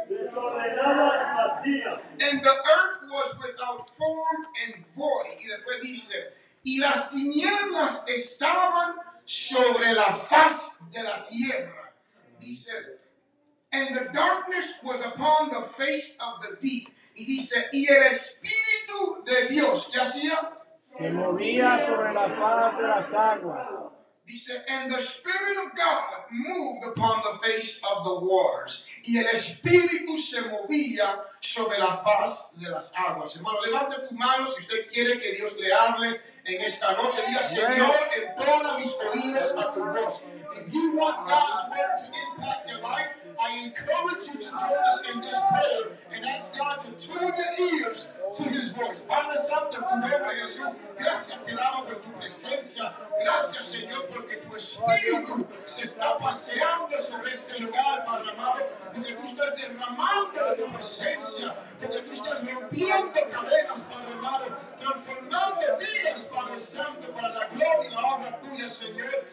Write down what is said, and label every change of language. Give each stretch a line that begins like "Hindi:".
Spanish: Desordenada y vacía.
English: And the earth was without form and void.
Spanish: Y después dice: y las tinieblas estaban sobre la faz de la tierra.
English: Dice, and the darkness was upon the face of the deep.
Spanish: Y dice, y el Espíritu de Dios, ¿qué hacía? Se movía sobre la faz de las aguas.
English: Dice, and the Spirit of God moved upon the face of the waters.
Spanish: Y el Espíritu se movía sobre la faz de las aguas. Hermano, levante tu mano si usted quiere que Dios le hable en esta noche. Diga, Señor, entona mis oídos a tu voz.
English: If you want God's word to impact your life, I encourage you to join us in this prayer and ask God to turn your ears to His voice.
Spanish: Padre Santo, en tu nombre, Jesús, gracias te damos por tu presencia. Gracias, Señor, porque tu Espíritu se está paseando sobre este lugar, Padre amado, donde tú estás derramando de tu presencia, donde tú estás rompiendo cadenas, Padre amado, transformando vidas, Padre Santo, para la gloria y la obra tuya, Señor.